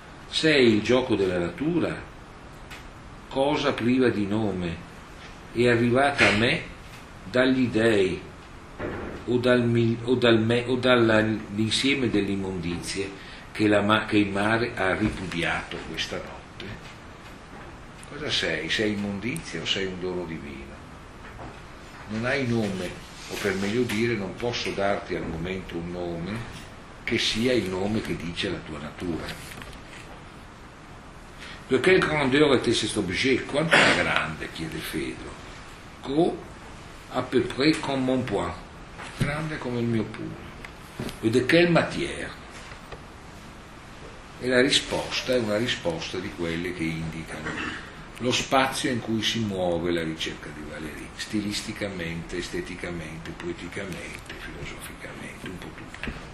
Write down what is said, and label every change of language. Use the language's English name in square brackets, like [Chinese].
[Italian] Sei il gioco della natura, cosa priva di nome e arrivata a me dagli dèi o dall'insieme delle immondizie che il mare ha ripudiato questa notte. Cosa sei? Sei immondizia o sei un dono divino? Non hai nome, o per meglio dire non posso darti al momento un nome che sia il nome che dice la tua natura. [French] De quelle grandeur était cet objet? [Italian] Quanto è grande? Chiede Fedro. [French] Gros à peu près comme mon poing. [Italian] Grande come il mio pugno. E [French] de quelle matière? [Italian] E la risposta è una risposta di quelle che indicano lo spazio in cui si muove la ricerca di Valéry, stilisticamente, esteticamente, poeticamente, filosoficamente, un po' tutto.